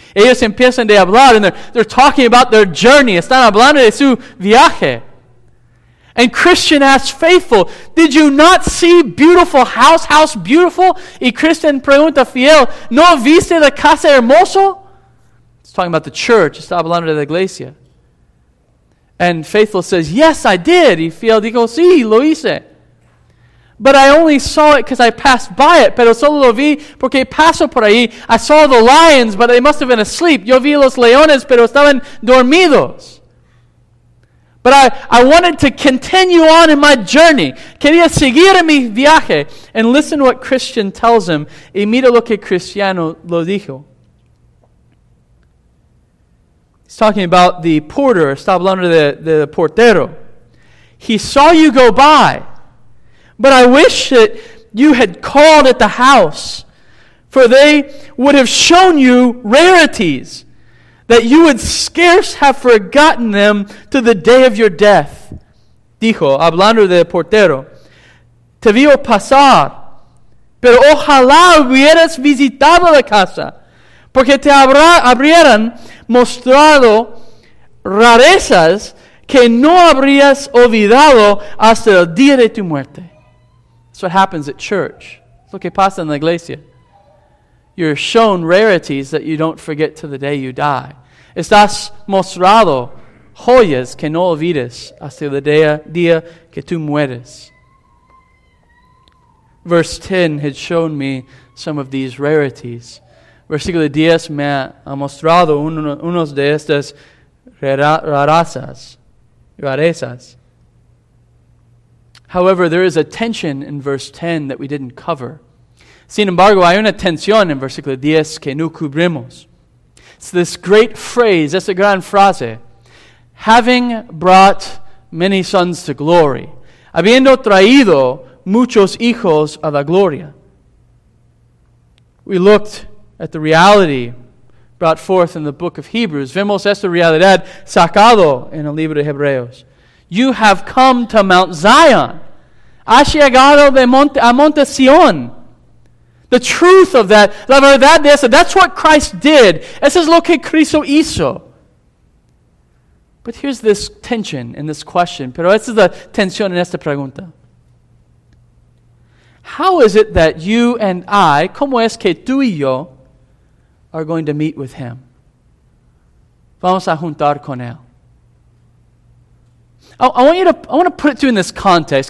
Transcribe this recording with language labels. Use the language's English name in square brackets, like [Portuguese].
[Spanish] Ellos empiezan de hablar, [English] and they're talking about their journey. [Spanish] Están hablando de su viaje. [English] And Christian asks faithful, did you not see beautiful house beautiful? [Spanish] Y Christian pregunta fiel, ¿no viste la casa hermoso? [English] It's talking about the church. [Spanish] Está hablando de la iglesia. [English] And faithful says, yes, I did. [Spanish] Y fiel dijo, sí, lo hice. [English] But I only saw it because I passed by it. [Spanish] Pero solo lo vi porque paso por ahí. [English] I saw the lions, but they must have been asleep. [Spanish] Yo vi los leones, pero estaban dormidos. [English] But I wanted to continue on in my journey. [Spanish] Quería seguir en mi viaje. [English] And listen what Christian tells him. [Spanish] Y mira lo que Cristiano lo dijo. [English] He's talking about the porter. [Spanish] Está hablando de portero. [English] He saw you go by. But I wish that you had called at the house, for they would have shown you rarities that you would scarce have forgotten them to the day of your death. [Spanish] Dijo, hablando de portero, te vio pasar, pero ojalá hubieras visitado la casa, porque te habrían mostrado rarezas que no habrías olvidado hasta el día de tu muerte. [English] That's what happens at church. It's [Spanish] lo que pasa en la iglesia. [English] You're shown rarities that you don't forget to the day you die. [Spanish] Estás mostrado joyas que no olvides hasta el día que tú mueres. [English] Verse 10 had shown me some of these rarities. [Spanish] Versículo 10 me ha mostrado unos de estas rarezas. [English] However, there is a tension in verse 10 that we didn't cover. [Spanish] Sin embargo, hay una tensión en versículo 10 que no cubrimos. [English] It's this great phrase, [Spanish] esa gran frase. [English] Having brought many sons to glory. [Spanish] Habiendo traído muchos hijos a la gloria. [English] We looked at the reality brought forth in the book of Hebrews. [Spanish] Vemos esta realidad sacado en el libro de Hebreos. [English] You have come to Mount Zion. [Spanish] Has llegado a Monte Sion. [English] The truth of that, [Spanish] la verdad de eso, [English] that's what Christ did. [Spanish] Eso es lo que Cristo hizo. [English] But here's this tension in this question. [Spanish] Pero esa es la tensión en esta pregunta. [English] How is it that you and I, [Spanish] como es que tú y yo, [English] are going to meet with Him? [Spanish] Vamos a juntar con Él. [English] I want to put it to you in this context.